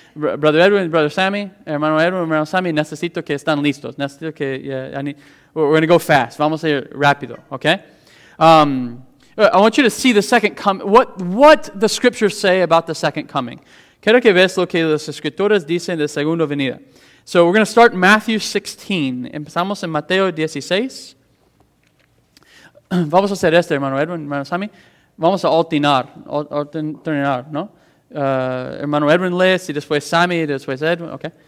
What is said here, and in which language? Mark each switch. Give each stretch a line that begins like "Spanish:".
English: Brother Edwin, Brother Sammy,
Spanish: hermano Edwin, hermano Sammy, necesito que están listos. Necesito que...
English: we're going to go fast.
Spanish: Vamos a ir rápido, okay?
English: I want you to see the second coming. What the scriptures say about the second coming.
Spanish: Quiero que veas lo que las escrituras dicen de segunda venida.
English: So we're going to start Matthew 16.
Spanish: Empezamos en Mateo 16. Vamos a hacer esto, hermano Edwin, hermano Sammy. Vamos a alternar, ¿no? Hermano Edwin lee, y después Sammy, y después Edwin, ¿ok?